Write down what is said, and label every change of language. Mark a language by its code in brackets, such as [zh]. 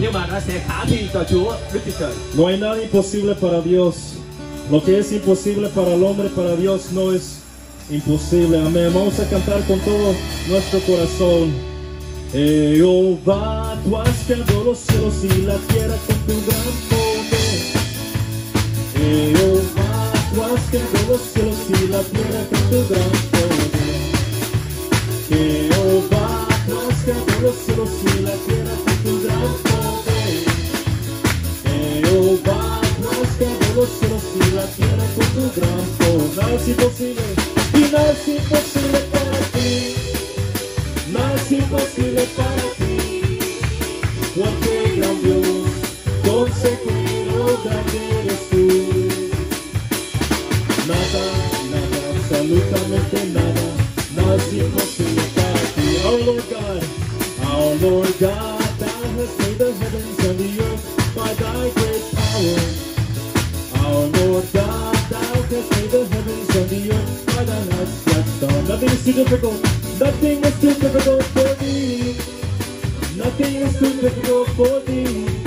[vi] Nhưng mà nó sẽ khả thi cho Chúa, Đức Chúa Trời. [es] No hay nada imposible para Dios. Lo que es imposible para el hombre, para Dios no es imposible. Amén. Vamos a cantar con todo nuestro corazón. Jehová, tú has creado los cielos y la tierra con tu gran poder. Jehová, tú has creado los cielos y la tierra con tu gran poder. Jehová, tú has creado los cielos y la tierra con tu gran poder. Jehová, tú has creado los cielos y la tierra con tu gran poder. Nada es imposible. Y nada es imposible para ti. Nada es imposible para ti. Porque gran Dios, consejero grande eres tú. Nada, nada, absolutamente nada. Nada es imposible para ti. [en] Oh Lord God, thou hast made the heavens and the earth by thy great power. Oh Lord God, thou hast made the heavens and the earth. Nothing is too difficult. Nothing is too difficult for thee. Nothing is too difficult for thee.